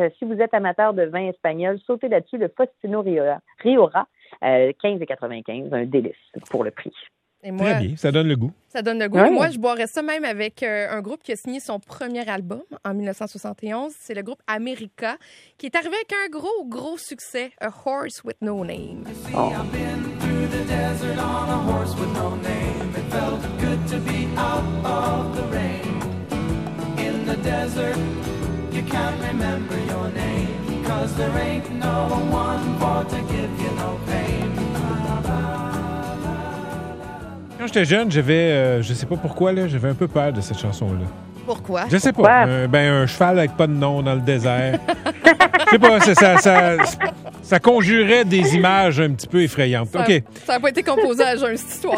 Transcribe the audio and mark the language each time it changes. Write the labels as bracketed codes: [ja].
[fr] Si vous êtes amateur de vin espagnol, sautez là-dessus le Fostino Rioja, 15,95. Un délice pour le prix. Et moi, très bien, ça donne le goût. Ça donne le goût. Ouais. Et moi, je boirais ça même avec un groupe qui a signé son premier album en 1971. C'est le groupe America, qui est arrivé avec un gros, gros succès, A Horse With No Name. Oh. [en] The desert on a horse with no name. It felt good to be out of the rain. In the desert, you can't remember your name, 'cause there ain't no one for to give you no pain. [fr] Quand j'étais jeune, j'avais, je sais pas pourquoi, là, j'avais un peu peur de cette chanson-là. Pourquoi? Je sais pourquoi? Pas. Un cheval avec pas de nom dans le désert. Je sais pas, ça conjurait des images un petit peu effrayantes. Ça n'a pas été composé à jeun, cette histoire.